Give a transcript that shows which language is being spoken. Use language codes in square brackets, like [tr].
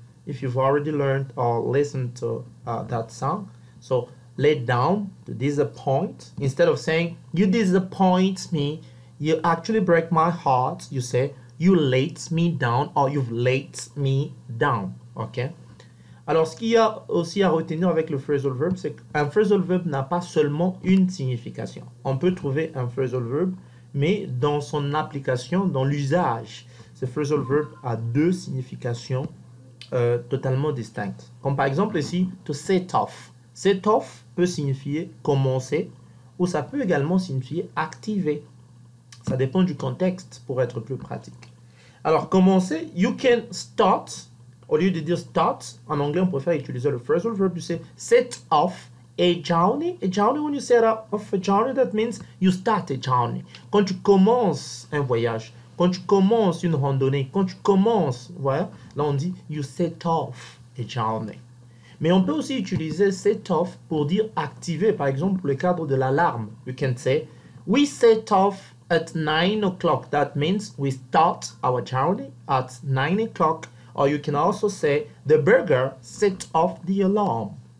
[en] If you've already learned or listened to that song. So, « let down », to disappoint. Instead of saying « you disappoint me », you actually break my heart, you say, you let me down, or you've let me down, ok? [fr] Alors, ce qu'il y a aussi à retenir avec le phrasal verb, c'est qu'un phrasal verb n'a pas seulement une signification. On peut trouver un phrasal verb, mais dans son application, dans l'usage, ce phrasal verb a deux significations totalement distinctes. Comme par exemple ici, to set off. Set off peut signifier commencer, ou ça peut également signifier activer. Ça dépend du contexte pour être plus pratique. Alors, commencer, [en] you can start, [fr] au lieu de dire start, en anglais, on préfère utiliser le phrasal verb, [en] you say set off a journey. A journey, when you set off a journey, that means you start a journey. [fr] Quand tu commences un voyage, quand tu commences une randonnée, quand tu commences, voilà, là on dit [en] you set off a journey. [fr] Mais on peut aussi utiliser set off pour dire activer, par exemple, le cadre de l'alarme. [en] You can say, we set off at 9 o'clock, that means we start our journey at 9 o'clock. Or you can also say, the burglar set off the alarm.